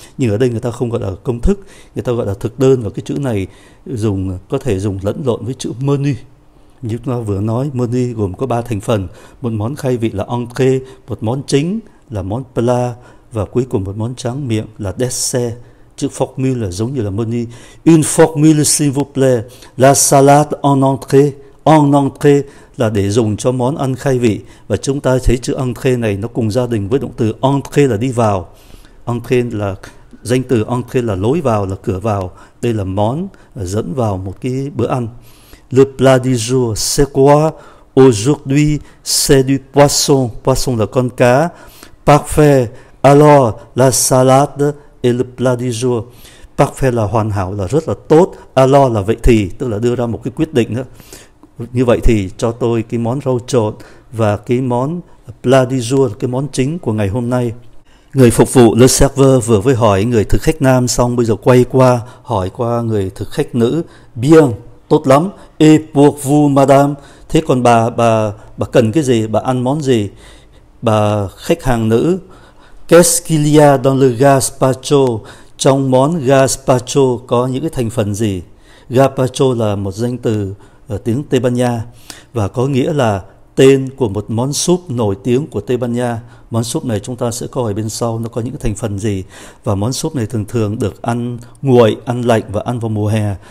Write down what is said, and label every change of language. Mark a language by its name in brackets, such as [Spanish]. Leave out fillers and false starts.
[Vietnamese] Nhưng ở đây người ta không gọi là công thức, người ta gọi là thực đơn, và cái chữ này dùng có thể dùng lẫn lộn với chữ menu. Như chúng ta vừa nói, menu gồm có ba thành phần, một món khai vị là entrée, một món chính là món plat, và cuối cùng một món tráng miệng là dessert. Chữ formule là giống như là menu. [French] Une formule s'il vous plaît, la salade en entrée. [Vietnamese] En entrée là để dùng cho món ăn khai vị. Và chúng ta thấy chữ entrée này nó cùng gia đình với động từ entrée là đi vào. Entrée là danh từ, entrée là lối vào, là cửa vào. Đây là món dẫn vào một cái bữa ăn. [French] Le plat du jour, c'est quoi? Aujourd'hui, c'est du poisson. Poisson [Vietnamese] là con cá. [French] Parfait. Alors, la salade et le plat du jour. [Vietnamese] Parfait là hoàn hảo, là rất là tốt. Alors là vậy thì, tức là đưa ra một cái quyết định đó. Như vậy thì cho tôi cái món rau trộn và cái món plat du jour, cái món chính của ngày hôm nay. Người phục vụ, le serveur, vừa mới hỏi người thực khách nam xong, bây giờ quay qua hỏi qua người thực khách nữ. Bien, tốt lắm. [French] Et pour vous, madame? [Vietnamese] Thế còn bà cần cái gì? Bà ăn món gì? Bà khách hàng nữ. [French] Qu'est-ce qu'il y a dans le gazpacho? [Vietnamese] Trong món gazpacho có những cái thành phần gì? Gazpacho là một danh từ ở tiếng Tây Ban Nha và có nghĩa là tên của một món súp nổi tiếng của Tây Ban Nha. Món súp này chúng ta sẽ coi bên sau nó có những thành phần gì. Và món súp này thường thường được ăn nguội, ăn lạnh và ăn vào mùa hè.